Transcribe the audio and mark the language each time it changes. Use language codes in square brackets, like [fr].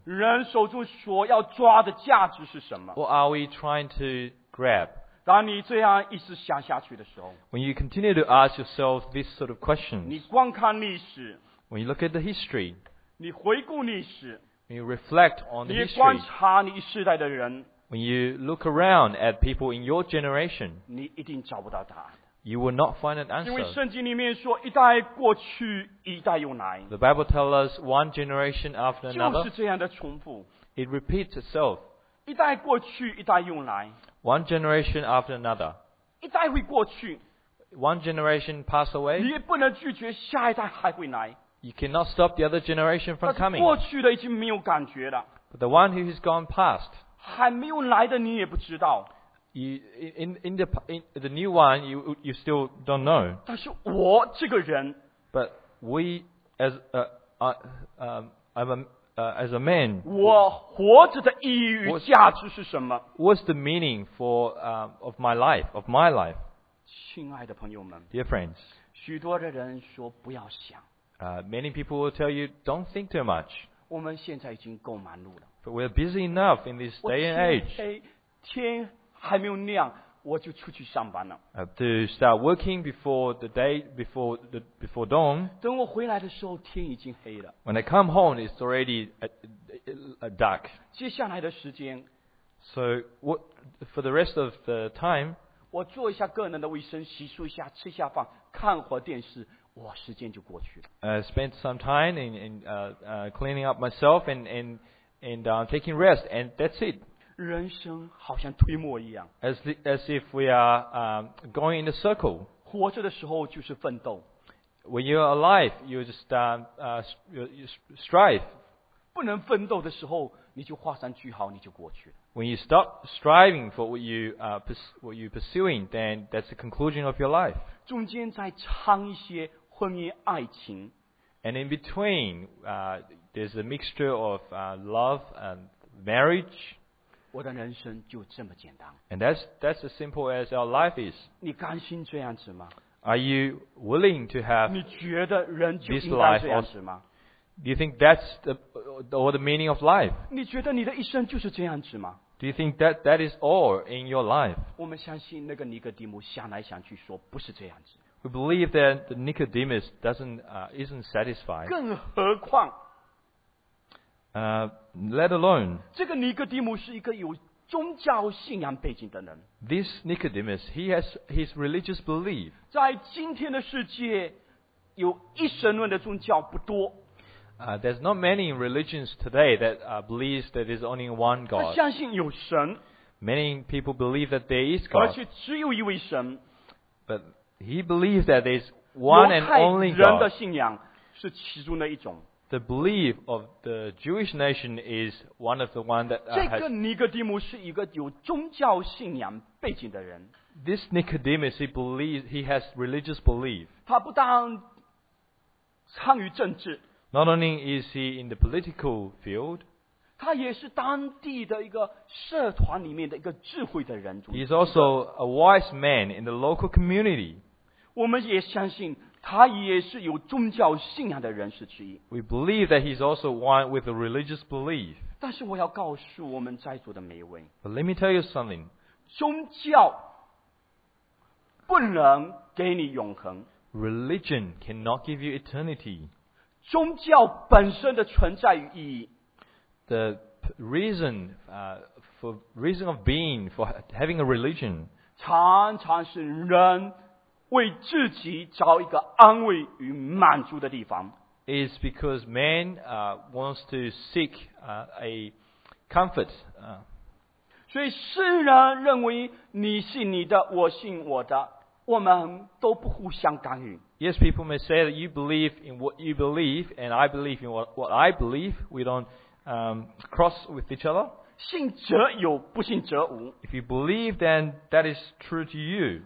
[zh] 人手中所要抓的价值是什么? [en] What are we trying to grab? [zh] 当你这样一直想下去的时候， [en] When you continue to ask yourself this sort of questions, [zh] 你观看历史， [en] When you look at the history, [zh] 你回顾历史， [en] When you reflect on the history, [zh] 你观察你一世代的人， [en] When you look around at people in your generation, [zh] 你一定找不到答案。 [en] You will not find an answer. [zh] 因为圣经里面说，一代过去，一代又来。 [en] The Bible tells us one generation after another. [zh] 就是这样的重复。 [en] It repeats itself. [zh] 一代过去，一代又来。 [en] One generation after another. [zh] 一代会过去。 [en] One generation pass away. [zh] 你也不能拒绝下一代还会来。 [en] You cannot stop the other generation from coming. [zh] 过去的已经没有感觉了。 [en] But the one who has gone past. [zh] 还没有来的你也不知道。 [en] In the new one, you still don't know. [zh] 但是我这个人， [en] But we as as a man, [zh] 我活着的意义与价值是什么？ [en] What's the meaning for of my life? [zh] 亲爱的朋友们， [en] Dear friends, [zh] 许多的人说不要想。 [en] Many people will tell you don't think too much. [zh] 我们现在已经够忙碌了。 [en] But we're busy enough in this day and age. [zh] 天还没有亮，我就出去上班了。 [en] To start working before dawn. [zh] 等我回来的时候，天已经黑了。 [en] When I come home, it's already dark. [zh] 接下来的时间。 [en] So what for the rest of the time? [zh] 我做一下个人的卫生，洗漱一下，吃一下饭，看会电视，哇，时间就过去了。 [en] Spent some time in cleaning up myself and taking rest, and that's it. [zh] 人生好像推磨一样。 [en] As if we are going in a circle. [zh] 活着的时候就是奋斗。 [en] When you are alive, you just strive. [zh] 不能奋斗的时候，你就画上句号，你就过去了。 [en] When you stop striving for what you pursuing, then that's the conclusion of your life. [zh] 中间再掺一些婚姻爱情。 [en] And in between, there's a mixture of love and marriage. [zh] 我的人生就这么简单。 [en] And that's as simple as our life is. [zh] 你甘心这样子吗？ [en] Are you willing to have this life? [zh] 你觉得人就应该这样子吗？ [en] Do you think that's the meaning of life? [zh] 你觉得你的一生就是这样子吗？ [en] Do you think that is all in your life? [zh] 我们相信那个尼哥底母想来想去说不是这样子。 [en] We believe that the Nicodemus isn't satisfied. [zh] 更何况。 [en] Let alone, [zh] 这个尼哥底母是一个有宗教信仰背景的人。 [en] This Nicodemus, he has his religious belief. [zh] 在今天的世界，有一神论的宗教不多。 [en] There's not many religions today that believes that there's only one God. [zh] 他相信有神。 [en] Many people believe that there is God. [zh] 而且只有一位神。 [en] But he believes that there's one and only God. [zh] 犹太人的信仰是其中的一种。 [en] The belief of the Jewish nation is one of the ones that has... [zh] 这个尼哥底母是一个有宗教信仰背景的人。 [en] This Nicodemus, he has religious belief. [zh] 他不当参与政治。 [en] Not only is he in the political field, [zh] 他也是当地的一个社团里面的一个智慧的人。 [en] He is also a wise man in the local community. [zh] 我们也相信他也是有宗教信仰的人士之一。 [en] We believe that he's also one with a religious belief. [zh] 但是我要告诉我们在座的每一位。 [en] But let me tell you something. [zh] 宗教不能给你永恒。 [en] Religion cannot give you eternity. [zh] 宗教本身的存在与意义。 [en] The reason of being, for having a religion. [zh] 常常是人为自己找一个安慰与满足的地方。 [en] Is because man wants to seek a comfort. [zh] 所以世人认为你信你的，我信我的，我们都不互相干预。 [en] Yes, people may say that you believe in what you believe, and I believe in what I believe. We don't cross with each other. [zh] 信则有，不信则无。 [en] If you believe, then that is true to you.